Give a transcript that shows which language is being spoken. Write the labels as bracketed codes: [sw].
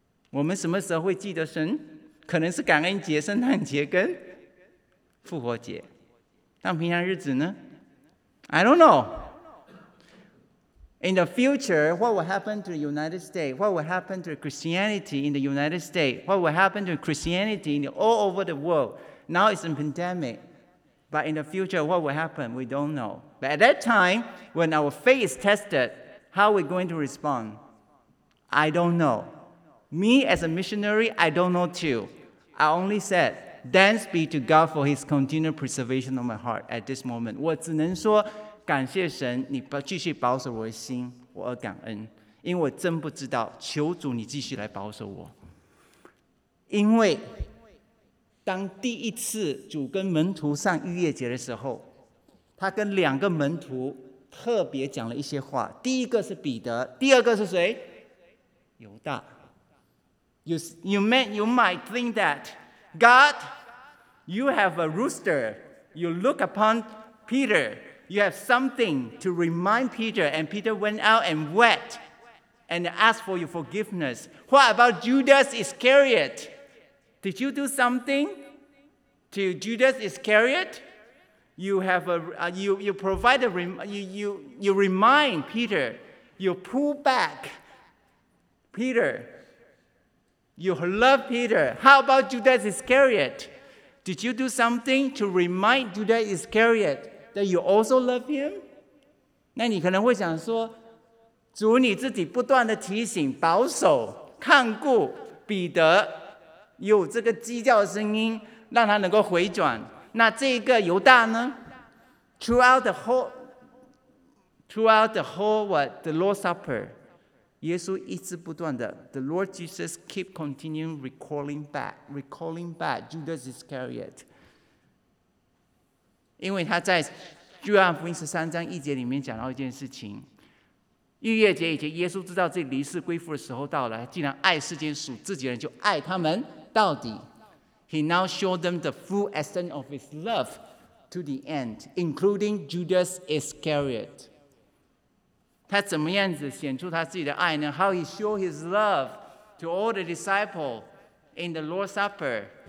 [zh] 我们什么时候会记得神？可能是感恩节、圣诞节跟复活节，但平常日子呢？ [en] I don't know. In the future, what will happen to the United States? What will happen to Christianity in the United States? What will happen to Christianity all over the world? Now it's a pandemic. But in the future, what will happen? We don't know. But at that time, when our faith is tested, how are we going to respond? I don't know. Me as a missionary, I don't know too. I only said, Thanks be to God for his continued preservation of my heart at this moment. [zh] 我只能说感谢神，你继续保守我的心，我而感恩，因为我真不知道，求主你继续来保守我。因为当第一次主跟门徒上逾越节的时候，他跟两个门徒特别讲了一些话，第一个是彼得，第二个是谁？犹大。 [en] You might think thatGod, you have a rooster. You look upon Peter. You have something to remind Peter. And Peter went out and wept and asked for your forgiveness. What about Judas Iscariot? Did you do something to Judas Iscariot? You remind Peter. You pull back Peter. You love Peter. How about Judas Iscariot? Did you do something to remind Judas Iscariot that you also love him? [zh] 那你可能会想说，主你自己不断的提醒保守看顾彼得，有这个鸡叫的声音让他能够回转，那这个犹大呢？ [en] Throughout the whole Lord's Supper， [zh] 耶稣一直不断的 [en] The Lord Jesus keep continuing recalling back Judas Iscariot， [zh] 因为他在约翰福音十三章一节里面讲到一件事情，逾越节以前耶稣知道这离世归父的时候到了，既然爱世间属自己人就爱他们到底。 [en] He now showed them the full extent of his love to the end, including Judas Iscariot. [zh] 他怎么样子显出他自己的爱呢？ [en] How he showed his love to all the disciples in the Lord's Supper.